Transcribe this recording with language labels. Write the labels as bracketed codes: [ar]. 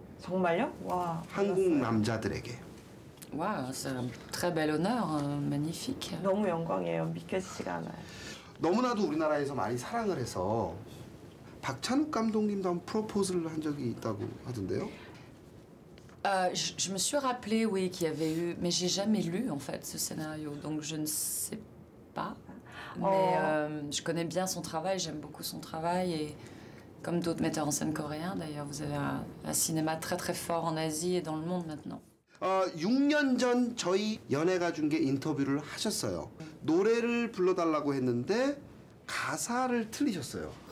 [ko] 정말요? 와. 한국 남자들에게. [fr] Wow, c'est un très bel honneur, magnifique. [ko] 너무 영광이에요, 믿겨지지가 않아요. 너무나도 우리나라에서 많이 사랑을 해서 박찬욱 감독님도 한 프로포즈를 한 적이 있다고 하던데요. [fr] Je me suis rappelé oui qu'il y avait eu mais j'ai jamais lu en fait ce scénario donc je ne sais pas mais je connais bien son travail, j'aime beaucoup son travail et comme d'autres metteurs en scène coréens d'ailleurs vous avez un cinéma très très fort en Asie et dans le monde maintenant. [ko] 6년 전 저희 연예가 중계 인터뷰를 하셨어요. 노래를 불러달라고 했는데 가사를 틀리셨어요.